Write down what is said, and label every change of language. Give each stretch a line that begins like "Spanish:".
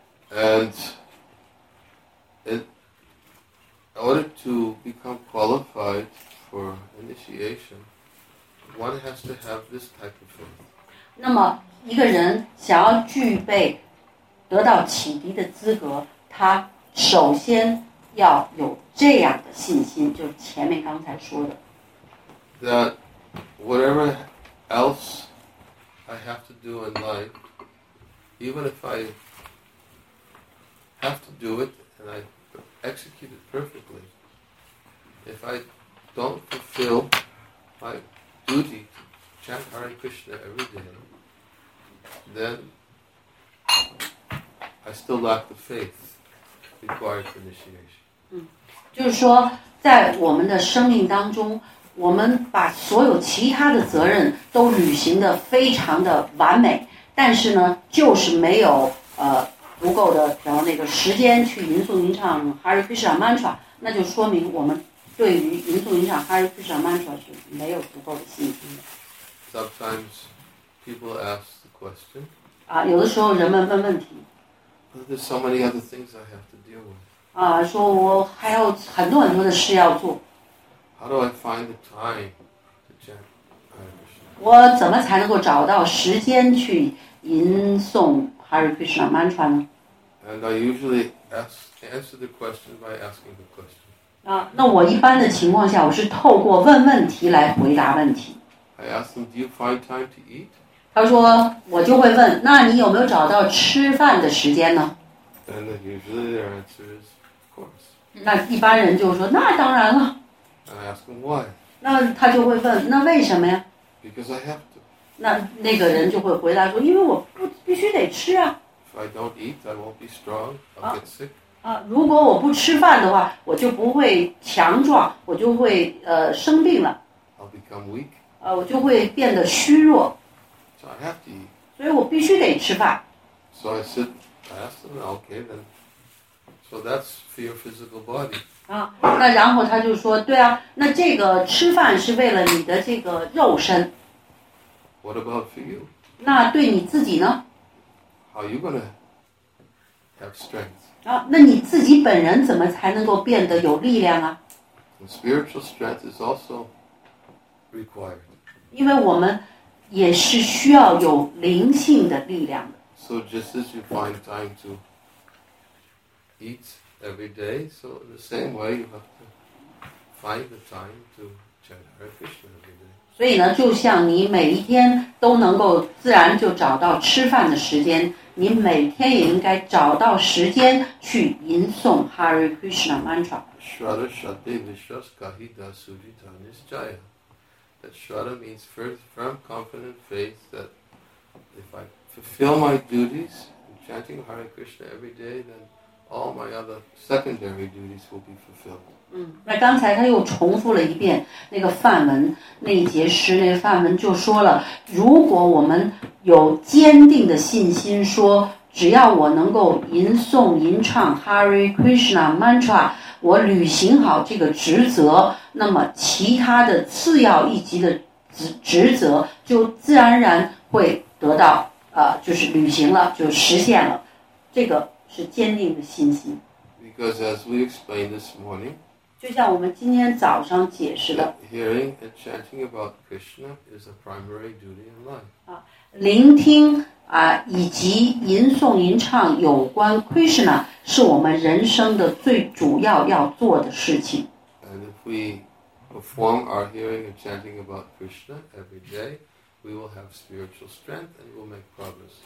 English: And in order to become qualified for initiation, one has to have this type of faith.
Chinese: 那么一个人想要具备得到启迪的资格，他首先要有这样的信心，就是前面刚才说的。
English: That whatever else I have to do in life, even if I have to do it and I execute it perfectly, if I don't fulfill my duty to chant Hare Krishna every day, then I still lack the faith required for initiation.
Chinese: 就是说在我们的生命当中，我们把所有其他的责任都履行得非常的完美，但是呢就是没有足够的，然后那个时间去吟诵吟唱 Hare Krishna mantra， 那就说明我们对于吟诵吟唱 Hare Krishna mantra 是没有足够的信心的。
English: Sometimes people ask the question.
Chinese: 有的时候人们问问题。
English: There's so many other things I have to deal with.
Chinese: 说我还有很多很多的事要做。
English: How do I find the time to chant Hare Krishna？
Chinese: 我怎么才能够找到时间去吟诵？
English: And I usually answer the question by asking the question.
Chinese: 那我一般的情况下，我是透过问问题来回答问题。
English: I ask them, "Do you find time to eat?"
Chinese: 他说，我就会问，那你有没有找到吃饭的时间呢？
English: And usually their answer is, "Of course."
Chinese: 那一般人就说，那当然了。
English: I ask them why.
Chinese: 那他就会问，那为什么呀？
English: Because I have to.
Chinese: 那个人就会回答说，因为我必须得吃啊。
English: If I don't eat, I won't be strong. I'll get sick.
Chinese: 如果我不吃饭的话，我就不会强壮，我就会生病了。
English: I'll become weak.
Chinese: 我就会变得虚弱。
English: So I have to eat.
Chinese: 所以我必须得吃饭。
English: So I said, I asked them, okay, then. So that's for your physical body.
Chinese: 那然后他就说，对啊，那这个吃饭是为了你的这个肉身。
English: What about for you?
Chinese: 那对你自己呢？
English: How are you gonna have strength?
Chinese: 那你自己本人怎么才能够变得有力量啊？
English: And spiritual strength is also required.
Chinese: 因为我们也是需要有灵性的力量的。
English: So just as you find time to eat every day, so in the same way you have to find the time to chant Hare Krishna every day.
Chinese: 所以呢，就像你每一天都能够自然就找到吃饭的时间，你每天也应该找到时间去吟诵 Hare Krishna mantra。
Sanskrit: Shraddha Shraddhe Vishwas Kahi Da Sujita Nischaya，
English: that Shraddha means firm confident faith that if I fulfill my duties in chanting Hare Krishna every day, then all my other secondary duties will be fulfilled.
Chinese: 那刚才他又重复了一遍那个梵文那一节诗，那个梵文就说了，如果我们有坚定的信心说只要我能够吟诵吟唱 Hare Krishna Mantra， 我履行好这个职责，那么其他的次要一级的职责就自然而然会得到就是履行了，就实现了，这个是坚定的信心。
English: Because as we explained this morning，
Chinese: 就像我们今天早上解释的
English: ，Hearing and chanting about Krishna is a primary duty in life.
Chinese: 啊，聆听啊，以及吟诵吟唱有关 Krishna 是我们人生的最主要要做的事情。
English: And if we perform our hearing and chanting about Krishna every day, we will have spiritual strength and we'll make progress.